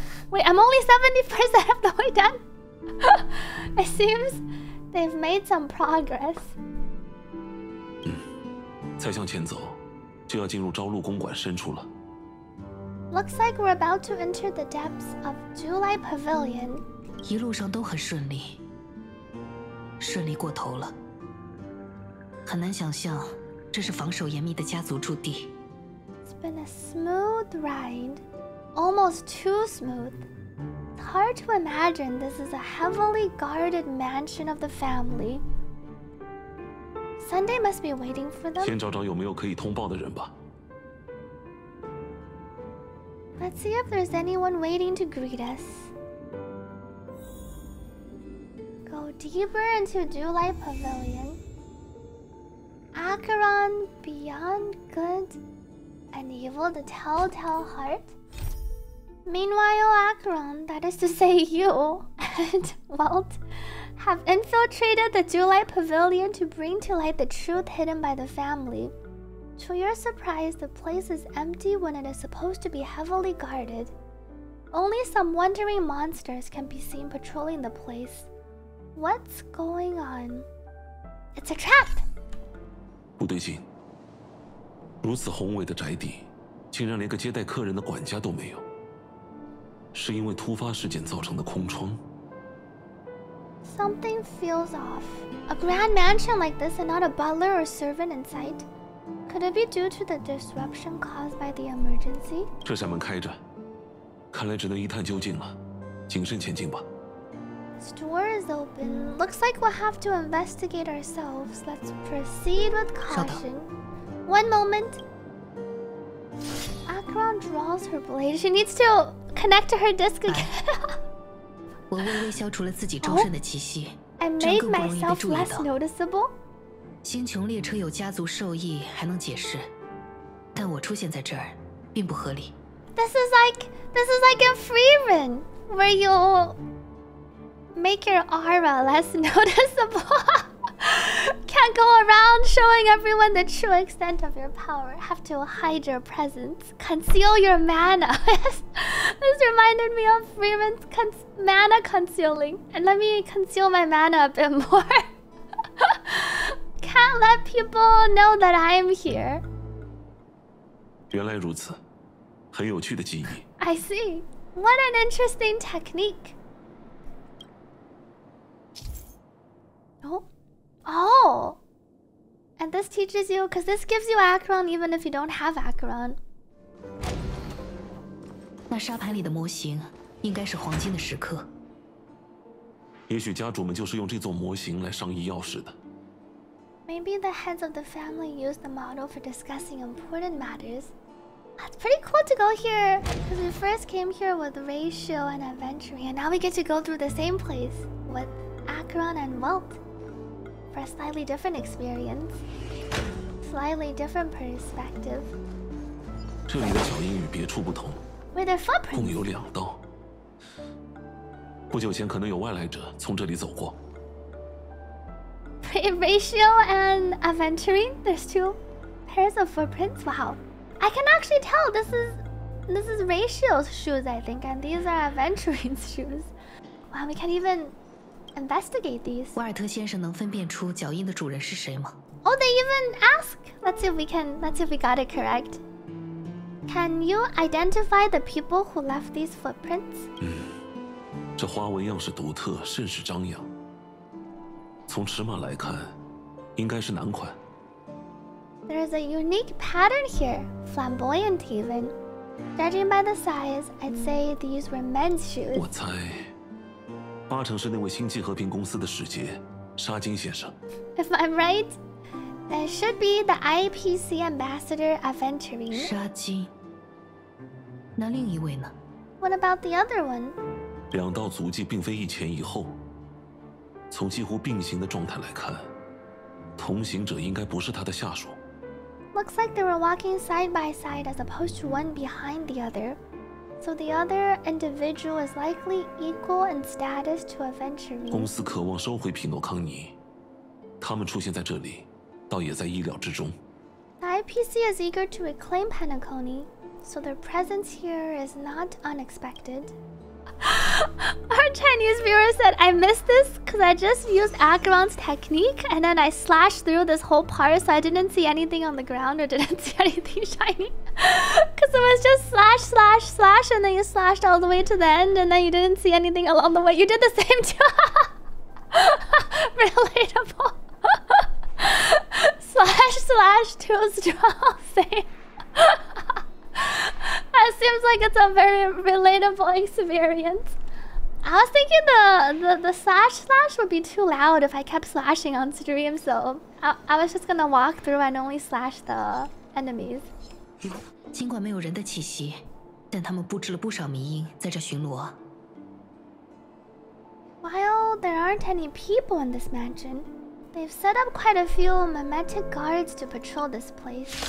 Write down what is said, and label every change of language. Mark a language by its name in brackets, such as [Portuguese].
[English] Wait, I'm only 70% of the way done. It seems they've made some progress. [Chinese] 再向前走，就要进入朝露公馆深处了。 [English] Looks like we're about to enter the depths of July Pavilion. [Chinese] 一路上都很顺利。顺利过头了，很难想象这是防守严密的家族驻地。 [English] It's been a smooth ride, almost too smooth. It's hard to imagine this is a heavily guarded mansion of the family. Sunday must be waiting for them. [Chinese] 先找找有没有可以通报的人吧。 [English] Let's see if there's anyone waiting to greet us. Go deeper into Dewlight Pavilion. Acheron beyond good and evil, the telltale heart. Meanwhile, Acheron, that is to say you, and Welt, have infiltrated the Dewlight Pavilion to bring to light the truth hidden by the family. To your surprise, the place is empty when it is supposed to be heavily guarded. Only some wandering monsters can be seen patrolling the place. What's going on? It's a trap! [Chinese] 不对劲，如此宏伟的宅邸，竟然连个接待客人的管家都没有，是因为突发事件造成的空窗。 [English] Something feels off. A grand mansion like this and not a butler or servant in sight. Could it be due to the disruption caused by the emergency? [Chinese] 这扇门开着，看来只能一探究竟了，谨慎前进吧。 [English] This door is open. Looks like we'll have to investigate ourselves. Let's proceed with caution. One moment. Acheron draws her blade. She needs to connect to her disc again. [Chinese] 我微微消除了自己周身的气息，整个过程已被注意到。 [English] I made myself less noticeable. [Chinese] 星穹列车有家族授意还能解释，但我出现在这儿并不合理。 [English] This is like a free run where you make your aura less noticeable. Can't go around showing everyone the true extent of your power. Have to hide your presence. Conceal your mana. This reminded me of Freeman's mana concealing. And let me conceal my mana a bit more. Can't let people know that I'm here. [Chinese] 原来如此，很有趣的记忆。 [English] I see. What an interesting technique. Oh, and this teaches you, because this gives you Acheron even if you don't have Acheron. [Chinese] 那沙盘里的模型应该是黄金的石刻。也许家主们就是用这座模型来商议钥匙的。 [English] Maybe the heads of the family use the model for discussing important matters. That's pretty cool to go here, because we first came here with Ratio and Aventurine, and now we get to go through the same place with Acheron and Welt. For a slightly different experience, slightly different perspective. [Chinese] 这里的脚印与别处不同，共有两道。不久前可能有外来者从这里走过。 [English] Ratio and Aventurine, there's two pairs of footprints. Wow, I can actually tell this is Ratio's shoes, I think, and these are Aventurine's shoes. Wow, we can't even. Investigate these. [Chinese] 瓦尔特先生能分辨出脚印的主人是谁吗？ [English] Oh, they even ask. Let's see if we got it correct. Can you identify the people who left these footprints? [Chinese] 这花纹样式独特，甚是张扬。从尺码来看，应该是男款。 [English] There is a unique pattern here, flamboyant even. Judging by the size, I'd say these were men's shoes. [Chinese] 我猜。八成是那位星际和平公司的使节，沙金先生。 [English] If I'm right, that should be the IPC ambassador Aventurine. [Chinese] 沙金。那另一位呢？ [English] What about the other one? [Chinese] 两道足迹并非一前一后。从几乎并行的状态来看，同行者应该不是他的下属。 [English] Looks like they were walking side by side as opposed to one behind the other. So the other individual is likely equal in status to Aventurine. [Chinese] 公司渴望收回匹诺康尼，他们出现在这里，倒也在意料之中。 [English] The IPC is eager to reclaim Panacone, so their presence here is not unexpected. Our Chinese viewer said, "I missed this because I just used Acheron's technique, and then I slashed through this whole part, so I didn't see anything on the ground or didn't see anything shiny." Because it was just slash, slash, slash, and then you slashed all the way to the end, and then you didn't see anything along the way. You did the same too. Relatable. Slash, slash, too strong. Same. That seems like it's a very relatable experience. I was thinking the slash, slash would be too loud if I kept slashing on stream, so I was just gonna walk through and only slash the enemies. [Chinese] 尽管没有人的气息，但他们布置了不少迷音在这巡逻。哇， [English] while there aren't any people in this mansion, they've set up quite a few memetic guards to patrol this place.